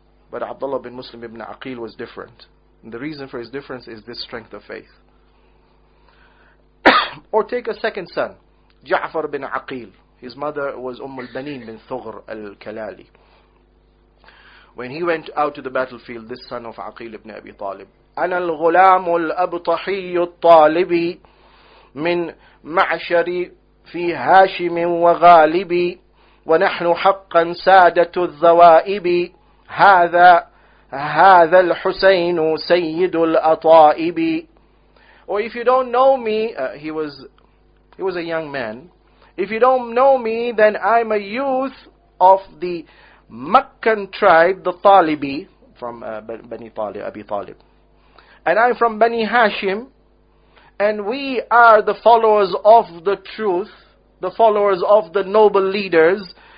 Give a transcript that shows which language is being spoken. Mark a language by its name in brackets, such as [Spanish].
[English] But Abdullah bin Muslim ibn Aqil was different. And the reason for his difference is this strength of faith. Or take a second son, Ja'far bin Aqil. His mother was Umm al-Banin bin Thughr al-Kalali. When he went out to the battlefield, this son of Aqil ibn Abi Talib. [Arabic] أنا الغلام الأبطحي الطالبي من معشر في هاشم وغالبي ونحن حقا سادة الذوائب هذا الحسين سيد الأطائب. [English] Or if you don't know me, he was a young man. If you don't know me, then I'm a youth of the Meccan tribe, the Talibi, from Bani Talib, Abi Talib. And I'm from Bani Hashim, and we are the followers of the truth, the followers of the noble leaders.